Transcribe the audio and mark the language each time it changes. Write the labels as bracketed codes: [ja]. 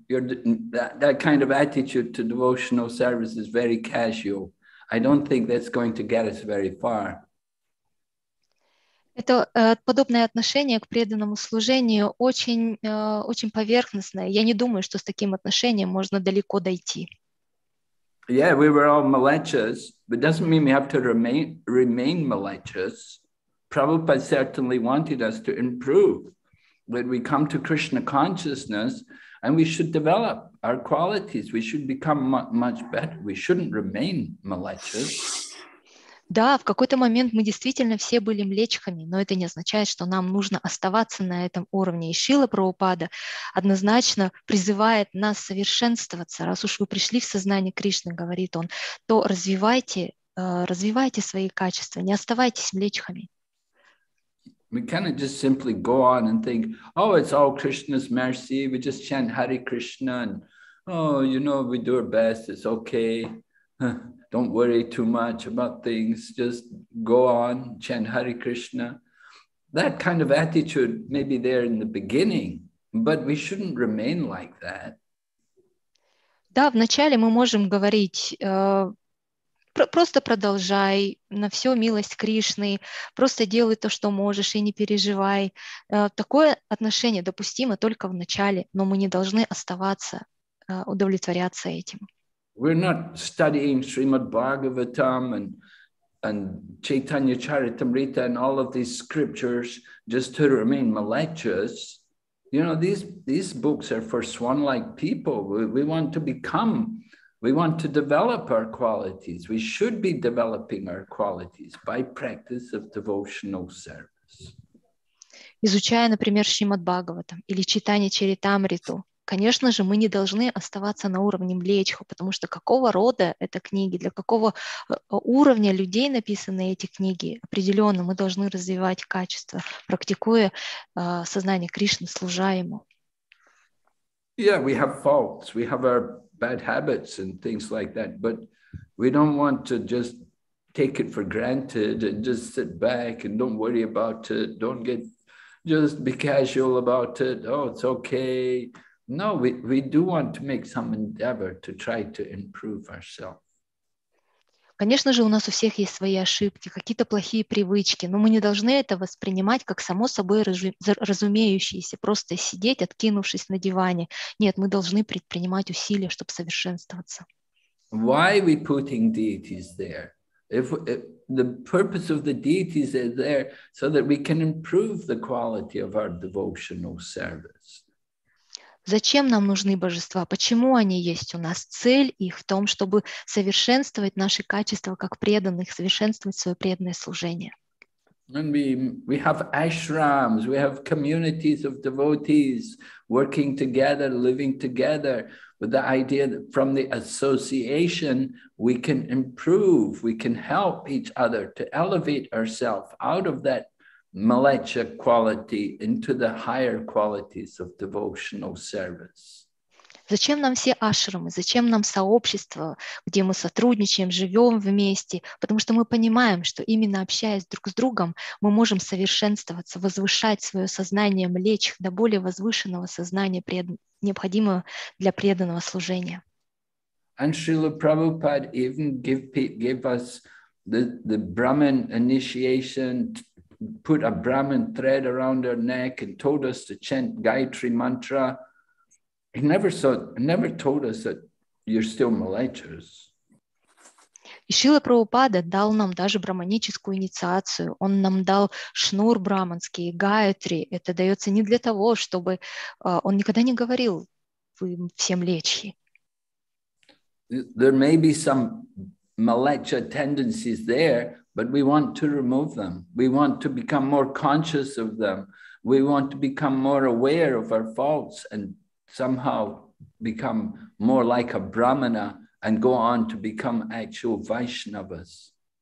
[en] That kind of attitude to devotional service is very casual. I don't think that's going to get us very far. [ru] Это подобное отношение к преданному служению очень поверхностное. Я не думаю, что с таким отношением можно далеко дойти. [en] Yeah, we were all malechas, but doesn't mean we have to remain malechas. Prabhupada certainly wanted us to improve. When we come to Krishna consciousness, and we should develop our qualities. We should become much better. We shouldn't remain malechas. [ru] Да, в какой-то момент мы действительно все были млечхами, но это не означает, что нам нужно оставаться на этом уровне. И Шрила Прабхупада однозначно призывает нас совершенствоваться. Раз уж вы пришли в сознание Кришны, говорит он, то развивайте свои качества, не оставайтесь млечхами. [en] We cannot just simply go on and think, oh, it's all Krishna's mercy. We just chant Hare Krishna and, oh, you know, we do our best. It's okay. Don't worry too much about things. Just go on, chant Hare Krishna. That kind of attitude may be there in the beginning, but we shouldn't remain like that. [ru] Да, вначале мы можем говорить... Просто продолжай, на все милость Кришны, просто делай то, что можешь, и не переживай. Такое отношение допустимо только в начале, но мы не должны оставаться, удовлетворяться этим. [en] We're not studying Srimad Bhagavatam and Chaitanya Charitamrita and all of these scriptures just to remain malechas. You know, these books are for swan-like people. We want to become... We want to develop our qualities. We should be developing our qualities by practice of devotional service. [ru] Изучая, например, Шримад Бхагаватам или читание Чаритамриту, конечно же, мы не должны оставаться на уровне млечха, потому что какого рода это книги, для какого уровня людей написаны эти книги, определенно мы должны развивать качество, практикуя сознание Кришны, служа ему. [en] Yeah, we have faults. We have our bad habits and things like that, but we don't want to just take it for granted and just sit back and don't worry about it, don't get, just be casual about it, oh, it's okay, No, we do want to make some endeavor to try to improve ourselves. [ru] Конечно же, у нас у всех есть свои ошибки, какие-то плохие привычки, но мы не должны это воспринимать как само собой разумеющееся, просто сидеть, откинувшись на диване. Нет, мы должны предпринимать усилия, чтобы совершенствоваться. [en] Why are we putting deities there? If the purpose of the deities is there so that we can improve the quality of our devotional service. [ru] Зачем нам нужны божества? Почему они есть у нас? Цель их в том, чтобы совершенствовать наши качества как преданных, совершенствовать свое преданное служение. [en] And we have ashrams, we have communities of devotees working together, living together with the idea that from the association we can improve, we can help each other to elevate ourselves out of that malecha quality into the higher qualities of devotional service. [ru] Зачем нам все ашрамы? Зачем нам сообщество, где мы сотрудничаем, живем вместе? Потому что мы понимаем, что именно общаясь друг с другом, мы можем совершенствоваться, возвышать свое сознание, млечь до более возвышенного сознания, необходимого для преданного служения. [en] And Srila Prabhupada even gave us the Brahman initiation, put a Brahman thread around our neck and told us to chant Gayatri mantra. He never told us that you're still malechas. [ru] И Шрила Прабхупада дал нам даже брахманическую инициацию. Он нам дал шнур брахманский, гаятри. Это дается не для того, чтобы... он никогда не говорил, вы все млечхи. [en] There may be some malecha tendencies there, but we want to remove them. We want to become more conscious of them. We want to become more aware of our faults and somehow become more like a brahmana and go on to become actual Vaishnavas.